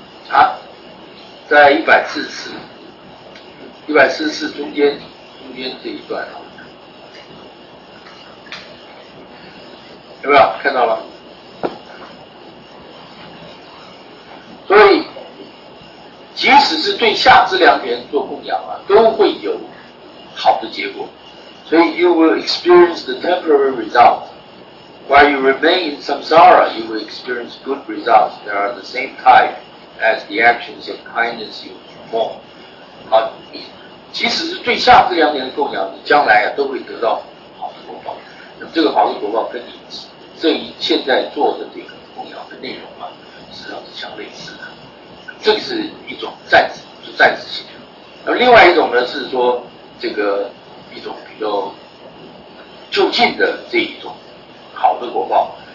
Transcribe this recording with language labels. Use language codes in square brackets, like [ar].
[zh] 啊，在144中间这一段啊。有没有看到了？所以即使是对下知良缘做供养啊，都会有好的结果。所以 [en] you will experience the temporary result while you remain in samsara， you will experience good results that are the same type as the actions of kindness you perform。 [zh] 啊，即使是对下知良缘的供养，你将来啊都会得到好的果报。那么这个好的果报跟你这一现在做的这个供养的内容啊，实际上是相类似的。这是一种暂时，就暂时性的。而另外一种呢，是说这个一种比较就近的这一种好的果报。